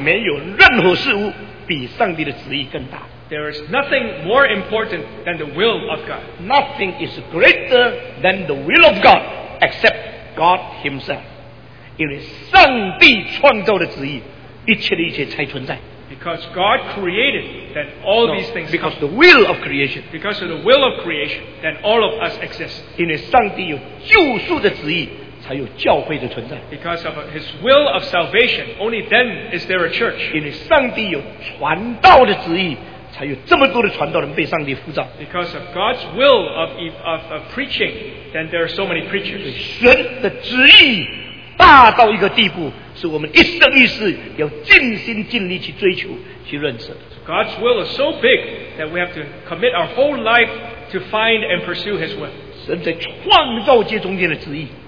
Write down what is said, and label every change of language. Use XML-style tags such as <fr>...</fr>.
<zh>没有任何事物比上帝的旨意更大。</zh> <en>There is nothing more important than the will of God. Nothing is greater than the will of God except God himself.</en> <zh>因为上帝创造的旨意, 一切的一切才存在。</zh> <en>Because God created, then all these things because come. The will of creation. Because of the will of creation, then all of us exist.</en> <zh>因为上帝有救赎的旨意，才有教会的存在。</zh> <en>Because of His will of salvation, only then is there a church.</en> <zh>因为上帝有传道的旨意，才有这么多的传道人被上帝呼召。</zh> <en>Because of God's will of preaching, then there are so many preachers.</en> <zh>神的旨意大到一个地步。是我们一生一世要尽心尽力去追求去认识。</zh> <en>God's will is so big that we have to commit our whole life to find and pursue His will.</en> <zh>神在创造界中间的旨意。</zh>